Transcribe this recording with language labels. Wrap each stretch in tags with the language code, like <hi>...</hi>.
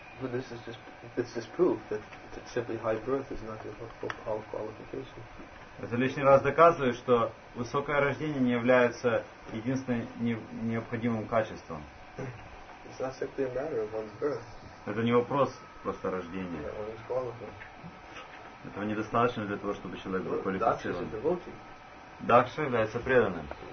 <en>But this is just, it's just proof that simply high birth is not a full qualification.</en> <ru>Это лишний раз доказывает, что высокое рождение не является единственным необходимым качеством.</ru> <en>It's not simply a matter of one's birth.</en> <ru>Это не вопрос просто рождения. Этого недостаточно для того, чтобы человек был квалифицирован. Дакша является преданным.</ru>